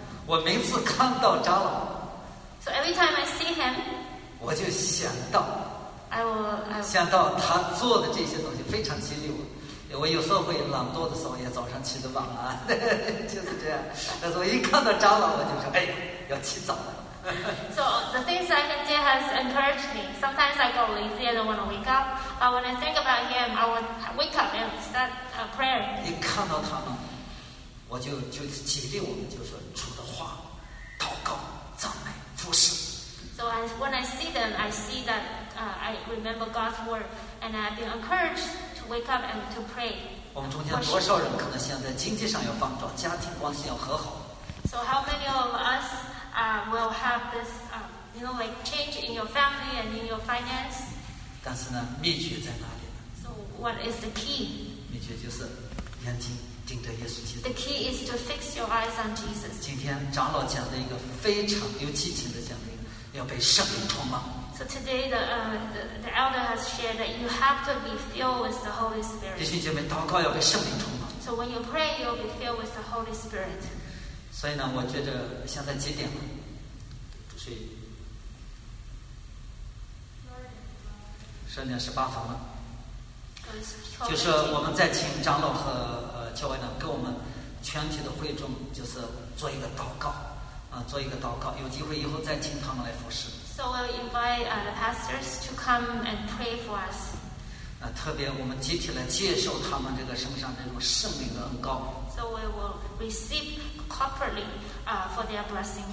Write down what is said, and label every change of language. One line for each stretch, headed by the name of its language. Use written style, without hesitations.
Chinese: 我每次看到长老。
English: So every time I see him.
Chinese: 我就想到。
English: I will
Chinese: 想到他做的这些东西非常激励我。我有时候会懒惰的时候也早上起得晚啊，就是这样。但是我一看到长老，我就说：“哎呀，要起早了。
English: ”So the things I can do has encouraged me. Sometimes I go lazy and want to wake up, but when I think about him, I will wake up and start a prayer.
Chinese: 一看到他们，我就激励我们，就说主的话、祷告、赞美、服侍。
English: So when I see them, I see that I remember God's word, and I've been encouraged. Wake up and to pray.
Chinese: 我们中间多少人可能现在经济上要放掉，家庭关系要和好。
English: So how many of us will have this, you know, like change in your family and in your finance?
Chinese: 但是呢，秘诀在哪里呢
English: ？So what is the key?
Chinese: 秘诀就是眼睛盯着耶稣基督。
English: The key is to fix your eyes on Jesus.
Chinese: 今天长老讲的一个非常有激情的讲灵，要被圣灵充满。
English: So today the elder has shared that you have to be filled with the Holy Spirit.
Chinese: 弟兄姐妹，祷告要被圣灵充满。
English: So when you pray, you'll be filled with the Holy Spirit.
Chinese: 所以呢，我觉得现在几点了？不睡。 12:18了。就是我们再请长老和教会呢，跟我们全体的会众，就是做一个祷告，做一个祷告。有机会以后再请他们来服侍。
English: So we'll invite the pastors to come and pray for us.
Chinese: 特别我们集体来接受他们这个身上这种圣灵的恩膏。
English: So we will receive corporately for their blessings.